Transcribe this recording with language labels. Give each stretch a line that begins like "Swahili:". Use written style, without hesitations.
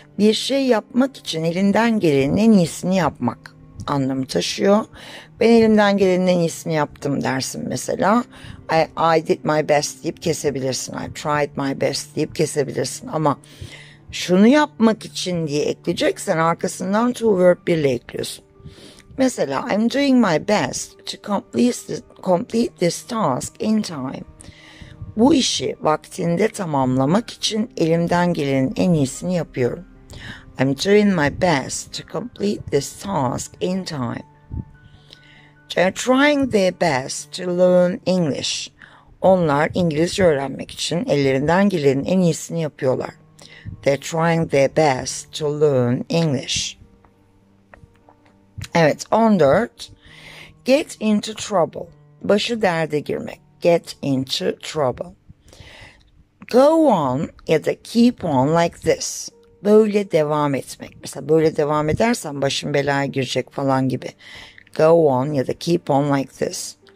Turkish: Bir şey yapmak için elinden gelenin en iyisini yapmak anlamı taşıyor. Ben elimden gelenin en iyisini yaptım dersin mesela.
English: I did my best
Turkish: deyip kesebilirsin.
English: I tried my best
Turkish: deyip kesebilirsin ama... Şunu yapmak için diye ekleyeceksen arkasından to verb birle ekliyorsun.
English: Mesela I'm doing my best to complete this task in time.
Turkish: Bu işi vaktinde tamamlamak için elimden gelenin en iyisini yapıyorum.
English: I'm doing my best to complete this task in time. They're trying their best to learn English.
Turkish: Onlar İngilizce öğrenmek için ellerinden gelenin en iyisini yapıyorlar.
English: They're trying their best to learn English.
Turkish: Evet, 14.
English: Get into trouble.
Turkish: Başı derde girmek.
English: Get into trouble. Go on
Turkish: ya da
English: keep on like this.
Turkish: Böyle devam etmek. Mesela böyle devam edersen başın belaya girecek falan gibi.
English: Go on
Turkish: ya da
English: keep on like this.